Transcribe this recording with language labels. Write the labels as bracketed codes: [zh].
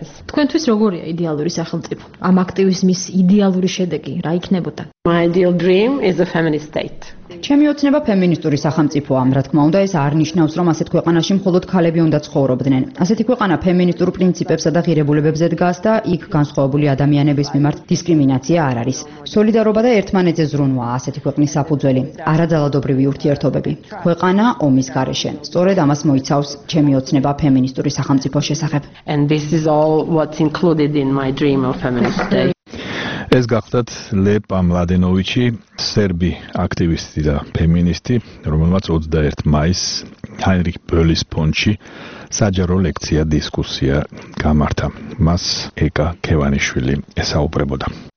[ka] თქვენთვის როგორია იდეალური სახელმწიფო? ამ აქტივიზმის იდეალური შედეგი რა იქნებოდა? [en] My ideal dream is a feminist state. [ka] ჩემი ოცნება ფემინისტური სახელმწიფოა. რა თქმა უნდა, ეს არ ნიშნავს, რომ ასეთ ქვეყანაში მხოლოდ ქალები უნდა ცხოვრობდნენ. ასეთი ქვეყანა ფემინისტურ პრინციპებსა და ღირებულებებზე დგას და იქ განსხვავებული ადამიანების მიმართ დისკრიმინაცია არ არის. სოლიდარობა და ერთმანეთზე ზრუნვაა ასეთი ქვეყნის საფუძველი, არაძალადობრივი ურთიერთობები. ქვეყანა ომის გარეშე. სწორედ ამას მოიცავს ჩემი ოცნება ფემინისტური სახელმწიფოს შესახებ. [en] And this is all what's included in my dream of feminist state. [ka] ეს გახლდათ ლეპა მლადენოვიჩი, სერბი აქტივისტი და ფემინისტი, რომელმაც 21 მაისს ჰაინრიხ ბოლის ფონდში საჯარო ლექცია დისკუსია გამართა. მას ეკა ქევანიშვილი ესაუბრებოდა.